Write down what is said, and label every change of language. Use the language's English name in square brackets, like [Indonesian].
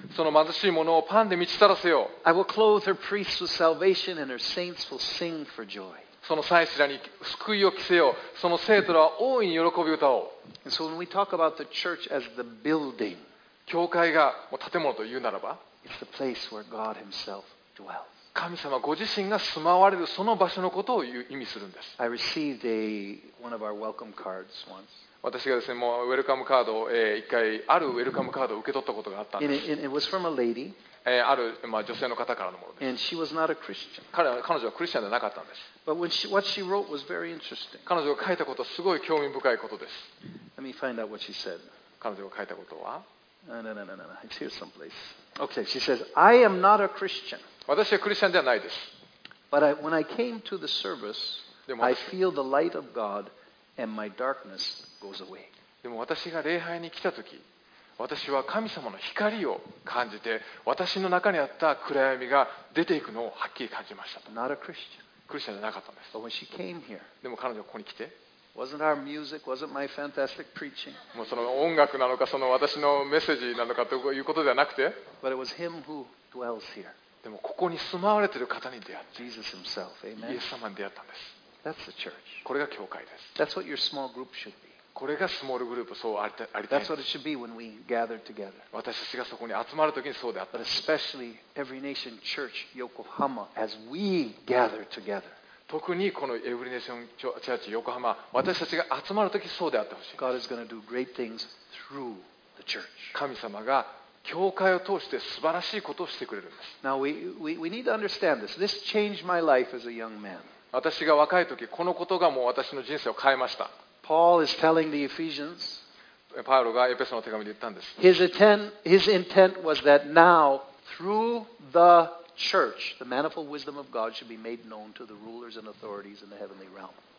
[Japanese] その貧しいものをパンで満ち足らせよう。 [English] I will clothe her priests with salvation and her saints will sing for joy. [Japanese] その祭司らに救いを着せよう。その聖徒らは大いに喜び歌おう。 [English] And so when we talk about the church as the building, [Japanese] 教会がもう建物というならば、 [English] It's the place where God himself dwells. [Japanese] 神様ご自身が住まわれるその場所のことを意味するんです。 [English] I received a, one of our welcome cards once. [Japanese] 私がですね、もうウェルカムカードを、一回あるウェルカムカードを受け取ったことがあったんです。 [English] And it was from a lady. [Japanese] ある、まあ、女性の方からのものです。 [English] And she was not a Christian. [Japanese] 彼女はクリスチャンではなかったんです。 [English] But when she, what she wrote was very interesting. [Japanese] 彼女が書いたことはすごい興味深いことです。 [English] Let me find out what she said. [Japanese] 彼女が書いたことは [English] No. It's here someplace. Okay, she says, I am not a Christian. [Japanese] 私はクリスチャンではないです。 [English] But I, when I came to the service, I feel the light of God and my darkness goes away. [Japanese] でも私が礼拝に来たとき、私は神様の光を感じて、私の中にあった暗闇が出ていくのをはっきり感じました。 [English] Not a Christian. [Japanese] クリスチャンじゃなかったんです。 [English] But when she came here, [Japanese] でも彼女はここに来て、 [English] Wasn't our music, wasn't my fantastic preaching. [Japanese] もうその音楽なのか、その私のメッセージなのかということではなくて、 [English] But it was him who dwells here. [Japanese] でもここに住まわれている方に出会って、 [English] Jesus himself, amen. [Japanese] イエス様に出会ったんです。 [English] That's the church. [Japanese] これが教会です。 [English] That's what your small group should be. [Japanese] これがスモールグループ、そうありたい。 [English] That's what it should be when we gather together. [Japanese] 私たちがそこに集まるときにそうであった。 [English] But especially every nation church, Yokohama, as we gather together. [Japanese] 特にこのエブリネーションチャーチ、横浜、私たちが集まるときそうであってほしい。 [English] God is going to do great things through the church. [Japanese] 神様が教会を通して素晴らしいことをしてくれるんです。 [English] Now we need to understand this. This changed my life as a young man. [Japanese] 私が若い時、このことがもう私の人生を変えました。 [English] Paul is telling the Ephesians. [Japanese] パウロがエペソの手紙で言ったんです。 [English] His intent was that now through the church, the manifold wisdom of God should be made known to the rulers and authorities in the heavenly realm.